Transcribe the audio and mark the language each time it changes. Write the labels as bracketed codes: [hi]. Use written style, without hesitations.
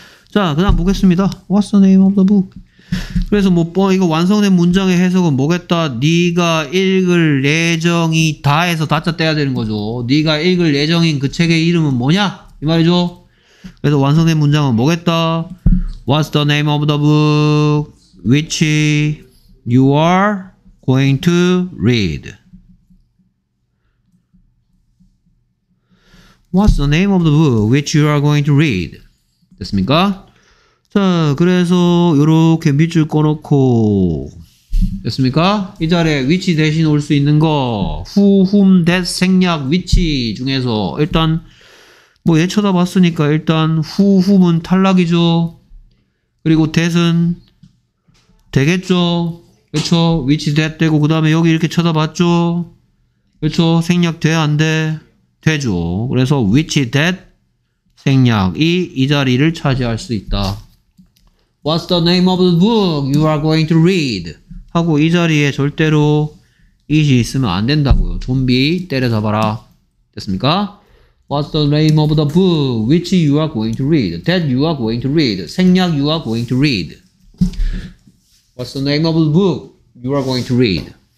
[ko] 자, 그다음 보겠습니다. [en] What's the name of the book? [ko] 그래서 이거 완성된 문장의 해석은 뭐겠다? 네가 읽을 예정이 다 해서 다짜 떼야 되는 거죠. 네가 읽을 예정인 그 책의 이름은 뭐냐? 이 말이죠. 그래서 완성된 문장은 뭐겠다? [en] What's the name of the book which you are going to read? What's the name of the book which you are going to read? [ko] 됐습니까? 자, 그래서 요렇게 밑줄 꺼놓고 됐습니까? 이 자리에 위치 대신 올 수 있는 거 후, 훔, 댓, 생략, 위치 중에서 일단 뭐 얘 쳐다봤으니까 일단 후, 훔은 탈락이죠. 그리고 댓은 되겠죠. 그렇죠? 위치 댓 되고 그 다음에 여기 이렇게 쳐다봤죠. 그렇죠? 생략 돼, 안 돼? 되죠. 그래서 위치 댓 생략이 이 자리를 차지할 수 있다. [en] What's the name of the book you are going to read? [ko] 하고 이 자리에 절대로 it이 있으면 안 된다고요. 좀비 때려잡아라. 됐습니까? [en] What's the name of the book which you are going to read? That you are going to read. 생략 you are going to read. What's the name of the book you are going to read?